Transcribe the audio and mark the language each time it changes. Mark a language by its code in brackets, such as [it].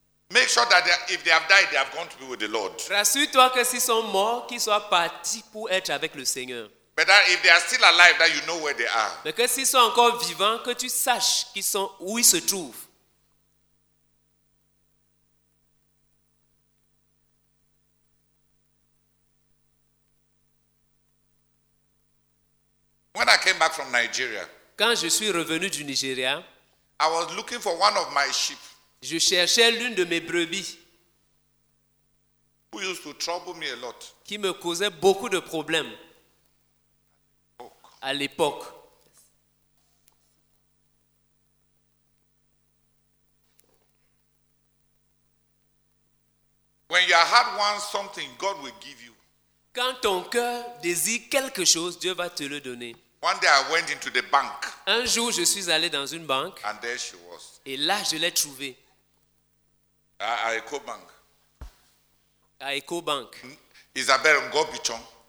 [en] Make sure that if they have died, they have gone to be with the Lord. [fr] Rassure-toi que s'ils sont morts, qu'ils soient partis pour être avec le Seigneur. [en] But that if they are still alive, that you know where they are. [fr] Mais que s'ils sont encore vivants, que tu saches qu'ils sont où ils se trouvent. [en] When I came back from Nigeria. [fr] Quand je suis revenu du Nigeria, [en] I was looking for one of my sheep. [fr] Je cherchais l'une de mes brebis. [en] Who used to trouble me a lot. [fr] Qui me causait beaucoup de problèmes. À l'époque. [en] When you are hard won something, God will give you. [fr] Quand ton cœur désire quelque chose, Dieu va te le donner. [en] One day I went into the bank. [fr] Un jour, je suis allé dans une banque. [en] And there she was. [fr] Et là, je l'ai trouvée. À Ecobank. À Ecobank. Isabelle Ngobichon.